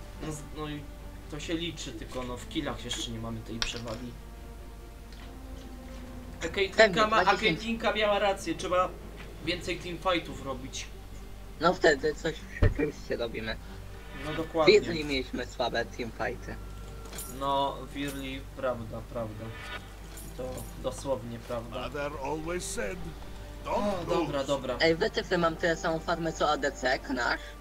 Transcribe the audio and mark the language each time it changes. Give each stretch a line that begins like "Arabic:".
Polish: No, no i to się liczy, tylko no w killach jeszcze nie mamy tej przewagi. A Caitlinka miała rację, trzeba więcej teamfightów robić. No wtedy coś rzeczywiście robimy. No dokładnie. Jeżeli mieliśmy słabe teamfighty. No, Virli, prawda. To dosłownie prawda.
English: Mother always said, don't lose.
Polish: Dobra. Ej, wytyfy, mam tyle samą farmę co ADC, knasz?